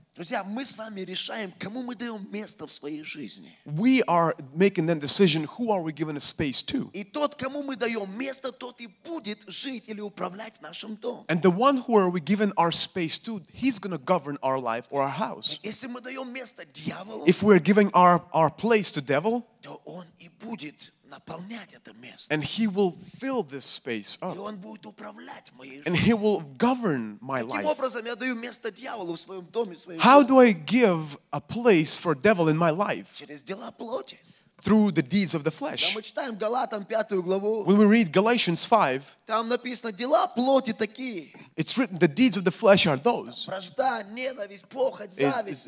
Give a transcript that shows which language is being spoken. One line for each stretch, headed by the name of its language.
Russian: Друзья, мы с вами решаем, кому мы даем место в своей жизни.
English: We are making that decision, who are we giving a space to?
Russian: И тот, кому мы даем место, тот и будет жить или управлять нашим домом.
English: And the one who are we giving our space to, he's going to govern our life or our house.
Russian: Если мы даем место дьяволу,
English: if we're giving our place to devil,
Russian: то он и будет наполнять это место.
English: And he will fill this space up.
Russian: И он будет управлять моей жизнью.
English: And he will govern my life.
Russian: Каким образом я даю место дьяволу в своем доме, в своей жизни?
English: How do I give a place for devil in my life?
Russian: Через дела плоти.
English: Through the deeds of the flesh.
Russian: Когда мы читаем Галатам 5 главу,
English: when we read Galatians 5,
Russian: там написано, дела плоти такие.
English: It's written, the deeds of the флеш are those.
Russian: Вражда, ненависть, похоть, зависть.